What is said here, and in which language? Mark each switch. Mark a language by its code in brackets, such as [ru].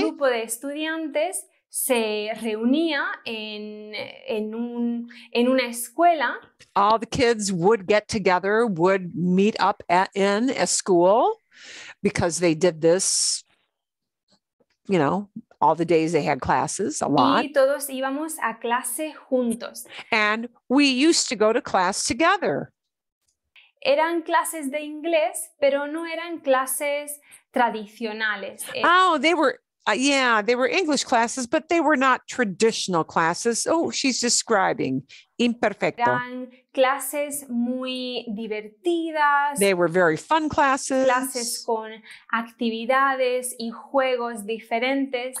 [es] todo el grupo de estudiantes se reunía en una escuela. [en] All the kids would get together, would meet up in a school because they did this, you know, all the days they had classes, a lot. [es] Y todos íbamos a clase juntos. [en] And we used to go to class together. [es] Eran clases de inglés, pero no eran clases tradicionales. [en] They were English classes, but they were not traditional classes. Oh, she's describing imperfecto. [es] Eran clases muy divertidas. [en] They were very fun classes. [es] Clases con actividades y juegos diferentes.